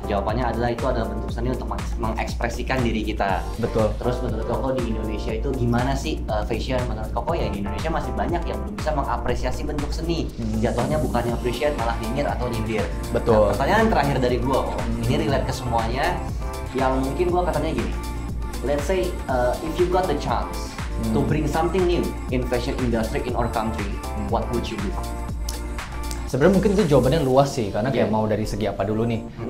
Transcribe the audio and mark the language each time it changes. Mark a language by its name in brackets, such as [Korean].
[Indonesian] Jawabannya adalah itu adalah bentuk seni untuk mengekspresikan diri kita. Betul. Terus menurut Koko di Indonesia itu gimana sih fashion? Menurut Koko ya di Indonesia masih banyak yang belum bisa mengapresiasi bentuk seni. Jatuhnya bukannya appreciate, malah nyinyir atau nyindir. Betul. Nah, pertanyaan terakhir dari gua, ini relate ke semuanya. Yang mungkin gua katanya gini, [English] let's say if you got the chance to bring something new in fashion industry in our country, what would you do? [Indonesian] Sebenarnya mungkin itu jawabannya luas sih, karena kayak mau dari segi apa dulu nih.